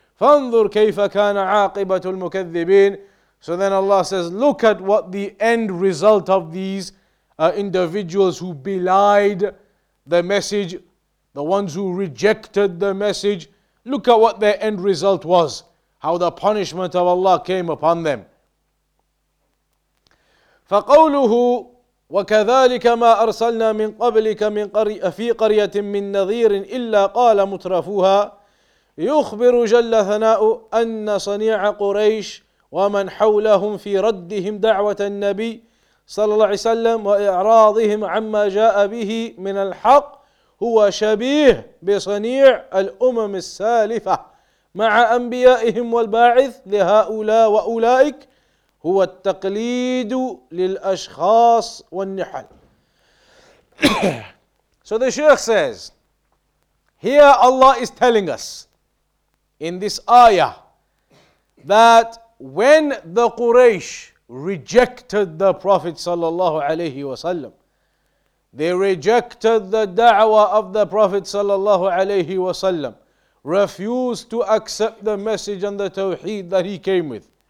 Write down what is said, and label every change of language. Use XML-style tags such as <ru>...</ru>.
<ar>فَانْظُرْ كَيْفَ كَانَ عَاقِبَةُ الْمُكَذِّبِينَ,</ar> <en>so then Allah says, look at what the end result of these individuals who belied the message, the ones who rejected the message, look at what their end result was, how the punishment of Allah came upon them.</en> <ar>فَقَوْلُهُ وَكَذَلِكَ مَا أَرْسَلْنَا مِنْ قَبْلِكَ مِنْ فِي قَرْيَةٍ مِنْ نَذِيرٍ إِلَّا قَالَ مُتْرَفُوهَا يُخْبِرُ جَلَّ ثَنَاءُ أَنَّ صَنِيعَ قُرَيْشِ وَمَنْ حَوْلَهُمْ فِي رَدِّهِمْ دَعْوَةَ النَّبِيِّ صلى الله عليه وسلم وإعراضهم عما جاء به من الحق هو شبيه بصنيع الأمم السالفة مع أنبيائهم والباعث لهؤلاء وأولئك هو التقليد للأشخاص والنحل.</ar> <en>So the Sheikh says, here Allah is telling us in this ayah that when the Quraysh rejected the Prophet sallallahu alayhi wasallam, they rejected the da'wah of the Prophet sallallahu alayhi wasallam, refused to accept the message and the tawheed that he came with.</en>